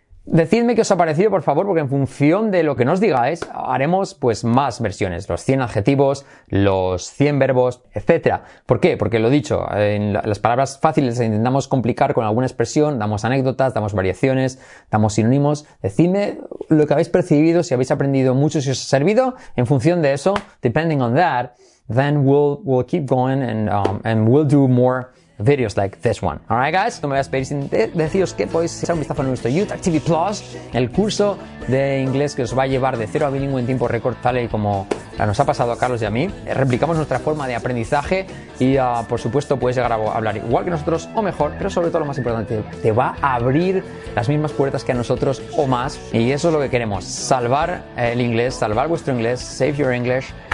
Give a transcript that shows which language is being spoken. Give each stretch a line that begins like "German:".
Spanish: Decidme qué os ha parecido, por favor, porque en función de lo que nos digáis, haremos pues más versiones. Los 100 adjetivos, los 100 verbos, etcétera. ¿Por qué? Porque lo he dicho, en las palabras fáciles intentamos complicar con alguna expresión, damos anécdotas, damos variaciones, damos sinónimos. Decidme lo que habéis percibido, si habéis aprendido mucho, si os ha servido. En función de eso,
English: depending on that, then we'll keep going and we'll do more videos like this one. Alright guys,
Spanish: no me voy a despedir sin deciros que podéis echar un vistazo a nuestro YouTube TV Plus, el curso de inglés que os va a llevar de cero a bilingüe en tiempo récord, tal y como nos ha pasado a Carlos y a mí. Replicamos nuestra forma de aprendizaje y por supuesto puedes llegar a hablar igual que nosotros o mejor, pero sobre todo lo más importante, te va a abrir las mismas puertas que a nosotros o más, y eso es lo que queremos, salvar el inglés, salvar vuestro inglés,
English: save your English.